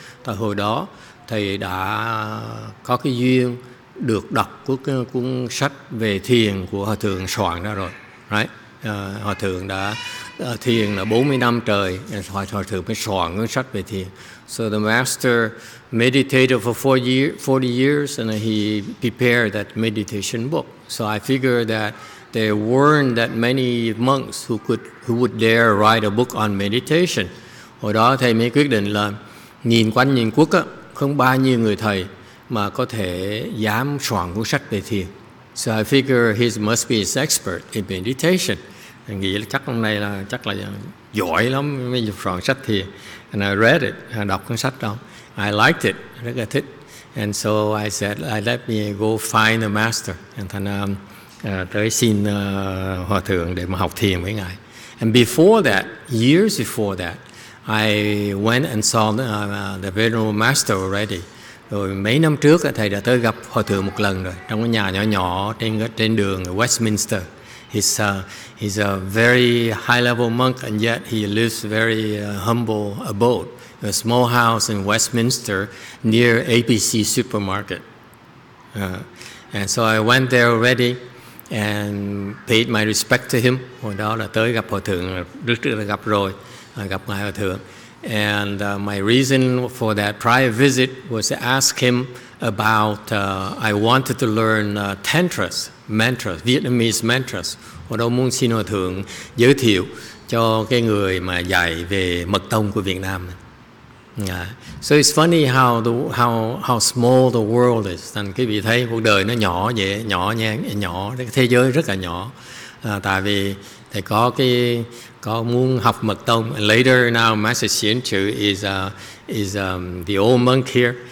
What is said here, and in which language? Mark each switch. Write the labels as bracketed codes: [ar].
[vi] Tại hồi đó, thầy đã có cái duyên được đọc cuốn sách về thiền của Hòa Thượng soạn ra rồi, [en] right? [vi] Hòa Thượng đã thiền là 40 năm trời, Hòa Thượng mới soạn cuốn sách về thiền. [en] So the master meditated for 40 years and he prepared that meditation book. So I figured that there weren't that many monks who would dare write a book on meditation. [vi] Hồi đó thầy mới quyết định là nhìn quanh nhìn quốc á, không bao nhiêu người thầy mà có thể dám soạn cuốn sách về thiền. [en] So I figure he must be his expert in meditation. [vi] Thì nghĩ là chắc ông này là chắc là giỏi lắm mới soạn sách thiền. [en] And I read it, I [vi] đọc cuốn sách đó. [en] I liked it, [vi] rất là thích. [en] And so I said, let me go find the master. And then [vi] tới xin Hòa Thượng để mà học thiền với ngài. [en] And years before that, I went and saw the Venerable Master already. [vi] Rồi mấy năm trước thầy đã tới gặp Hòa Thượng một lần rồi, trong cái nhà nhỏ nhỏ trên đường Westminster. [en] He's a very high level monk and yet he lives very humble abode, a small house in Westminster near APC supermarket. And so I went there already and paid my respect to him. [vi] Hồi đó là tới gặp Hòa Thượng, trước trước là gặp rồi, gặp ngài Hòa Thượng. [en] And my reason for that prior visit was to ask him about I wanted to learn tantras, mantras, Vietnamese mantras. [vi] Hồi đó muốn xin Hòa Thượng giới thiệu cho cái người mà dạy về mật tông của Việt Nam. [en] So it's funny how small the world is. [vi] Thành quý vị thấy cuộc đời nó nhỏ vậy, nhỏ nhen, nhỏ, thế giới rất là nhỏ. Tại vì thầy có muốn học mật tông. [en] And later now, Master Xian Chữ is the old monk here.